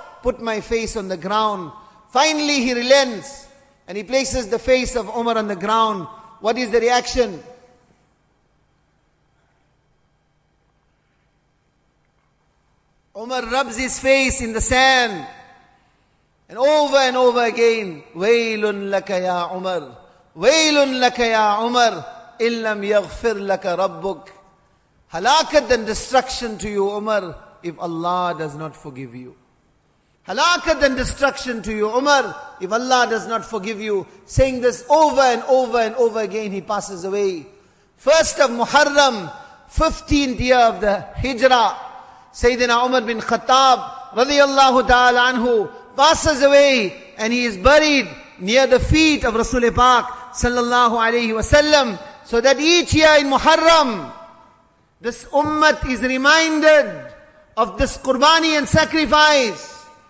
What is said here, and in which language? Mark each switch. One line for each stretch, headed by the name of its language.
English: Put my face on the ground. Finally he relents and he places the face of Umar on the ground. What is the reaction? Umar rubs his face in the sand. And over and over again,
Arabic: وَيْلٌ لَكَ يَا عُمَرْ وَيْلٌ لَكَ يَا عُمَرْ إِلَّمْ يَغْفِرْ لَكَ رَبُّكْ.
English: Halakat and destruction to you, Umar, if Allah does not forgive you. Halakat and destruction to you, Umar, if Allah does not forgive you. Saying this over and over and over again, he passes away. First of Muharram, 15th year of the Hijrah, Sayyidina Umar bin Khattab, radiyallahu ta'ala anhu, passes away and he is buried near the feet of Rasul Pak, sallallahu alayhi wa sallam, so that each year in Muharram, this ummah is reminded of this qurbani and sacrifice.